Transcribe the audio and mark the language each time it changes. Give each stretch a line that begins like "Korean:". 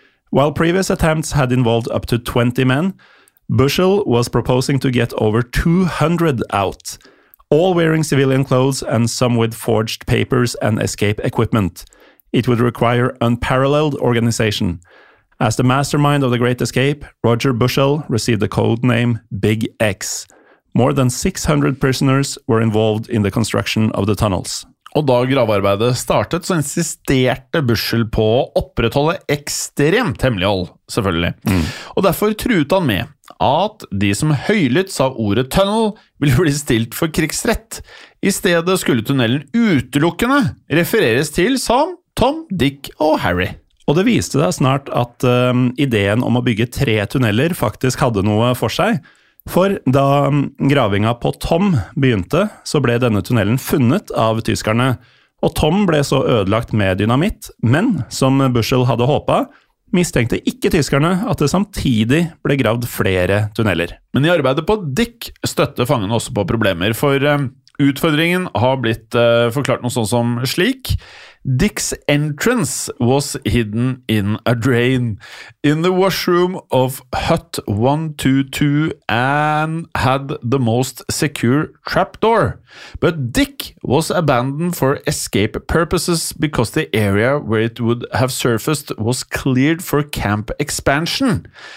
English: While previous attempts had involved up to 20 men, Bushel was proposing to get over 200 out, all wearing civilian clothes and some with forged papers and escape equipment. It would require unparalleled organization. As the mastermind of the Great Escape, Roger Bushel received the code name Big X. More than 600 prisoners were involved in the construction of the tunnels.
Norwegian: Og da gravearbeidet startet, så insisterte Bushel på å opprettholde ekstremt hemmelighold, selvfølgelig. Mm. Og derfor truet han med at de som høylytt sa ordet tunnel ville bli stilt for krigsrett. I stedet skulle tunnelen utelukkende refereres til som Tom, Dick og Harry. Og det viste seg snart at ideen om å bygge tre tunneller faktisk hadde noe for seg. For da gravinga på Tom begynte, så ble denne tunnelen funnet av tyskerne, og Tom ble så ødelagt med dynamitt, men, som Bushel hadde håpet, mistenkte ikke tyskerne at det samtidig ble gravd flere tunneller. Men I arbeidet på Dick støtte fangene også på problemer, for utfordringen har blitt forklart noe sånt som slik.
English: Dick's entrance was hidden in a drain in the washroom of hut 122 and had the most secure trapdoor. But Dick was abandoned for escape purposes because the area where it would have surfaced was cleared for camp expansion.